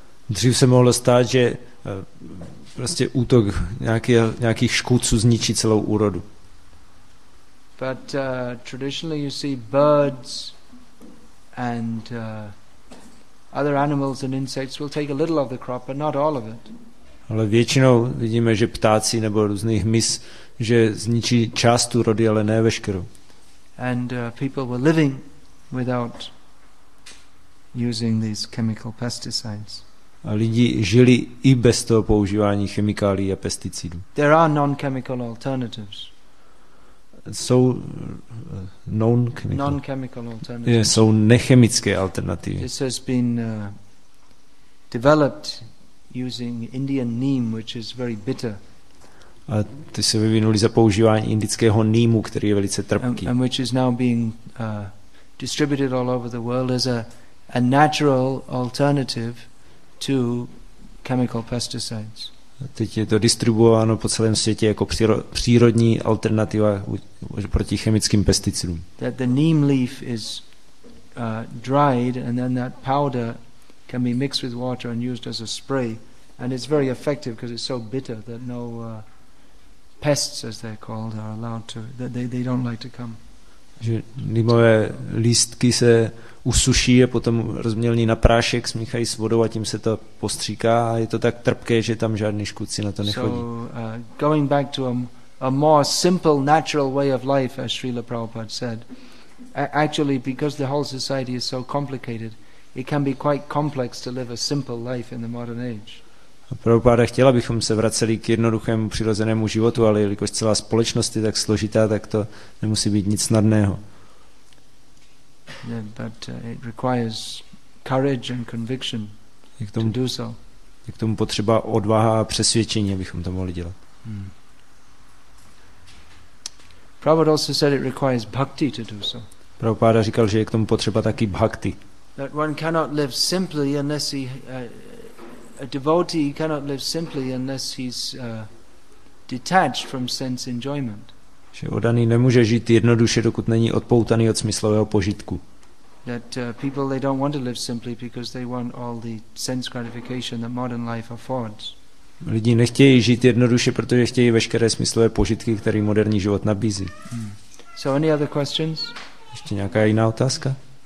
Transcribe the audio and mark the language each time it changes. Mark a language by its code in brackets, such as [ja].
[cs] Dřív se mohlo stát, že prostě útok nějakých škůdců zničí celou úrodu. [en] But traditionally you see birds and other animals and insects will take a little of the crop, but not all of it. [cs] Ale většinou vidíme, že ptáci nebo různý hmyz, že zničí část tu rody, ale ne veškerou. [en] And people were living without using these chemical pesticides. [cs] A lidi žili i bez toho používání chemikálií a pesticidů. [en] There are non-chemical alternatives. Jsou non-chemical alternatives. [cs] Jsou nechemické alternativy. [en] This has been developed using Indian neem, which is very bitter. [cs] A ty se vyvinuli za používání indického nýmu, který je velice trpký. [en] And which is now being distributed all over the world as a natural alternative to chemical pesticides. [cs] Teď je to distribuováno po celém světě jako přírodní alternativa proti chemickým pesticidům. [en] That the neem leaf is dried and then that powder can be mixed with water and used as a spray, and it's very effective because it's so bitter that no pests, as they're called, are allowed to, that they don't like to come. [cs] Že neemové lístky se usuší a potom rozmělní na prášek, smíchají s vodou a tím se to postříká a je to tak trpké, že tam žádný škůdci na to nechodí. [en] So going back to a more simple natural way of life, as Srila Prabhupada said, actually because the whole society is so complicated, it can be quite complex to live a simple life in the modern age. [cs] Prabhupada chtěl, abychom se vraceli k jednoduchému přirozenému životu, ale jelikož celá společnost je tak složitá, tak to nemusí být nic snadného. [en] Yeah, but it requires courage and conviction to do so. [cs] Je k tomu potřeba odvaha a přesvědčení, abychom to mohli dělat. [en] Prabhupada also said it requires bhakti to do so. [cs] Prabhupada říkal, že je k tomu potřeba taky bhakti. [en] That one cannot live simply unless he a devotee cannot live simply unless he's detached from sense enjoyment. [cs] Že oddaný nemůže žít jednoduše, dokud není odpoutaný od smyslového požitku. [en] That people they don't want to live simply because they want all the sense gratification that modern life affords. [cs] Lidi nechtějí žít jednoduše, protože chtějí veškeré smyslové požitky, které moderní život nabízí. [en] So any other questions? [cs] Ještě nějaká jiná otázka?